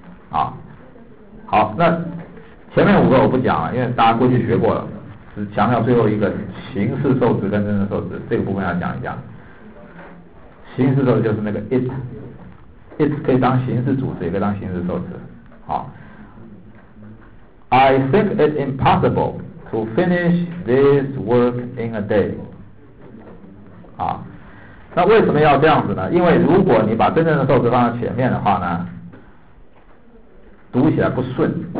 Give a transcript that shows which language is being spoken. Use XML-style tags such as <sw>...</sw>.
<zh>啊，好，那前面五个我不讲了，因为大家过去学过了，只强调最后一个形式受词跟真正受词这个部分要讲一讲。形式受词就是那个 it 可以当形式主词，也可以当形式受词。</zh> <en>好， I think it impossible to finish this work in a day。</en> <zh>好，那为什么要这样子呢？因为如果你把真正的受词放在前面的话呢，读起来不顺。</zh>